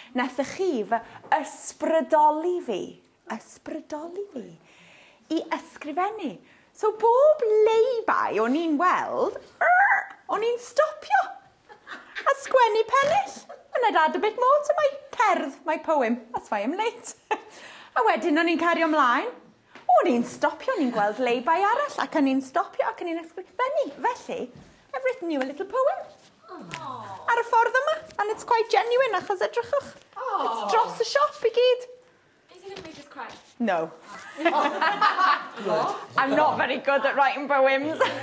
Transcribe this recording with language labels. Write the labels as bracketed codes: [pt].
[cy] Nath y chi fy ysbrydoli fi, ysbrydoli fi, I ysgrifennu. So bob leibau o'n i'n weld, o'n i'n stopio a sgwennu pennill. [en] And I'd add a bit more to my cerdd, my poem. That's why I'm late. [cy] A wedyn o'n i'n cario ymlaen. O'n i'n stopio, o'n i'n gweld leibau arall. Ac o'n i'n stopio ac o'n i'n ysgrifennu. Felly, [en] I've written you a little poem. Oh. [cy] Ar y ffordd yma. [en] And it's quite genuine [cy] achos edrychwch. Oh. It's dros y siop I gyd. [en] Cry. No. Good. I'm not very good at writing poems.